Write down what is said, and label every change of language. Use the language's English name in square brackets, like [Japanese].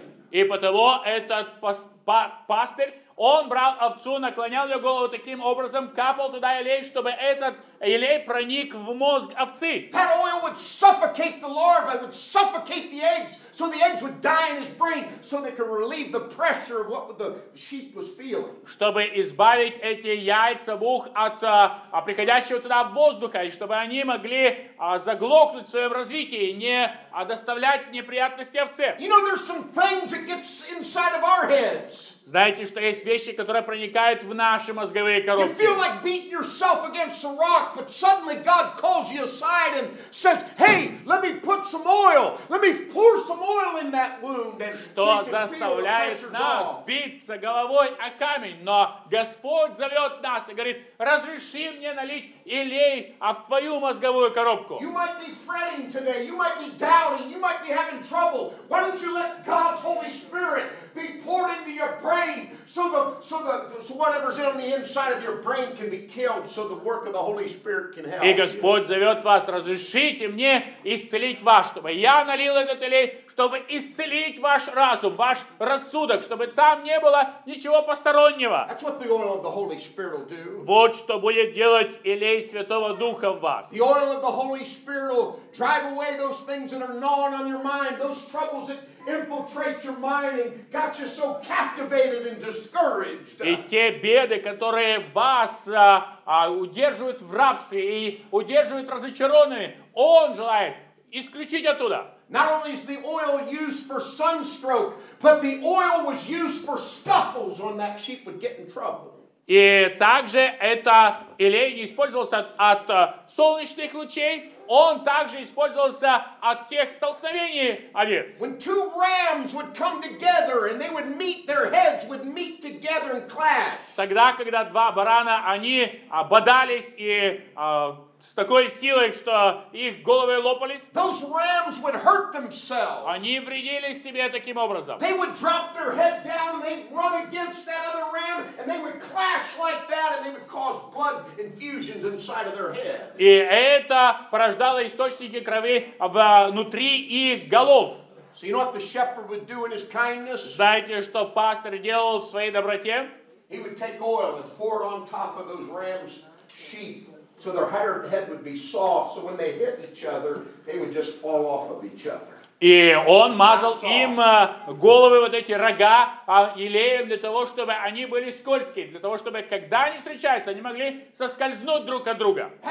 [Russian] И потому этот пастырь, он брал овцу, наклонял ее голову таким образом, капал туда елей, чтобы этот елей проник в мозг овцы. [English] That oil would suffocate the larvae, would suffocate the eggs, so the eggs would die in his brain, so they could relieve the pressure of what the sheep was feeling. [Russian] Чтобы избавить эти яйца мух от приходящего туда воздуха, и чтобы они могли заглохнуть в своем развитии, не доставлять неприятности овце. [English] You know, there's some things that get inside of our heads. [Russian] Знаете, что есть вещи, которые проникают в наши мозговые коробки. [English] You feel like beating yourself against a rock, but suddenly God calls you aside and says, "Hey, let me put some oil. Let me pour some oil in that wound." [Russian] Что заставляет нас биться головой о камень, но Господь зовет нас и говорит: "Разреши мне налить елей в твою мозговую коробку." [English] You might be fretting today. You might be doubting. You might be having trouble. Why don't you let God's Holy Spirit be poured into your brain, so whatever's on the inside of your brain can be killed, so the work of the Holy Spirit can help. [Russian] И Господь зовет вас, разрешите мне исцелить вас, чтобы я налил этот елей, чтобы исцелить ваш разум, ваш рассудок, чтобы там не было ничего постороннего. [English] That's what the oil of the Holy Spirit will do. [Russian] Вот что будет делать елей Святого Духа в вас. [English] The oil of the Holy Spirit will drive away those things that are gnawing on your mind, those troubles that infiltrate your mind and got you so captivated and discouraged. [Russian] И те беды, которые вас удерживают в рабстве и удерживают разочарованными, он желает исключить оттуда. [English] Not only is the oil used for sunstroke, but the oil was used for scuffles when that sheep would get in trouble. [Russian] И также это елей не использовался от солнечных лучей, он также использовался от тех столкновений овец. [English] When two rams would come together and they would meet, their heads would meet together and clash. [Russian] Тогда, когда два барана, они бодались и с такой силой, что их головы лопались. [English] Those rams would hurt themselves. [Russian] Они вредили себе таким образом. [English] They would drop their head down and they'd run against that other ram and they would clash like that and they would cause blood infusions inside of their head. [Russian] И это порождало источники крови внутри их голов. [English] So you know what the shepherd would do in his kindness? [Russian] Знаете, что пастор делал в своей доброте? [English] He would take oil and pour it on top of those rams' sheep. So their higher head would be soft, so when they hit each other, they would just fall off of each other. [Russian] И он мазал им головы, вот эти рога, елеем для того, чтобы они были скользкие, для того, чтобы когда они встречаются, они могли соскользнуть друг от друга.